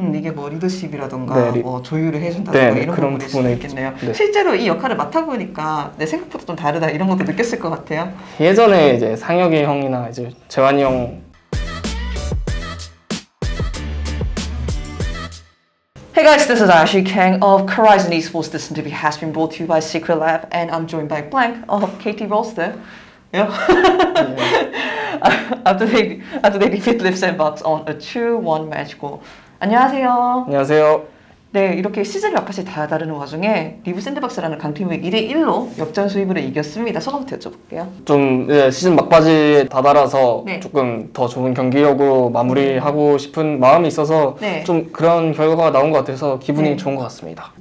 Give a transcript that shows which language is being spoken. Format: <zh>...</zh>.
<ko>이게 뭐 리더십이라든가 네, 뭐 조율을 해준다든가 이런 그런 부분일 수도 부분에 있죠. 있겠네요. 네. 실제로 이 역할을 맡아보니까 내 생각보다 좀 다르다 이런 것도 느꼈을 것 같아요. 예전에 이제 상혁이 형이나 이제 재환이 형</ko> <en>Hey guys, this is Ashley Kang of Horizon Esports. This interview has been brought to you by Secret Lab, and I'm joined by Blank of KT Rolster. Yeah. after they defeat Live Sandbox on a 2-1 match goal.</en> <ko>안녕하세요. 안녕하세요. 네, 이렇게 시즌 몇 가지 다 다른 와중에 리브 샌드박스라는 강팀을 2대 1로 역전 수입으로 이겼습니다. 소감부터 여쭤볼게요. 좀 이제 시즌 막바지에 다다라서 네. 조금 더 좋은 경기력으로 마무리하고 싶은 마음이 있어서 네. 좀 그런 결과가 나온 것 같아서 기분이 네. 좋은 것 같습니다.</ko>